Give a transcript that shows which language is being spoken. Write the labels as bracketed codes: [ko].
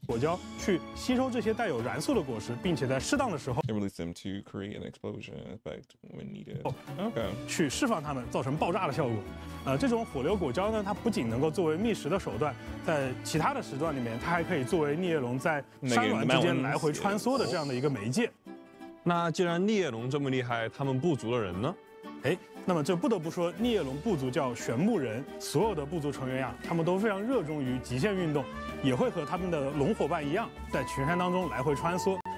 [zh] 果胶去吸收这些带有燃素的果实，并且在适当的时候 [en] It releases them to create an explosion effect when needed. OK. [zh] 去释放它们，造成爆炸的效果。这种火硫果胶呢，它不仅能够作为觅食的手段，在其他的时段里面，它还可以作为聂龙在山峦之间来回穿梭的这样的一个媒介。那既然聂龙这么厉害，他们部族的人呢？哎，那么这不得不说，聂龙部族叫玄木人，所有的部族成员呀，他们都非常热衷于极限运动，也会和他们的龙伙伴一样，在群山当中来回穿梭。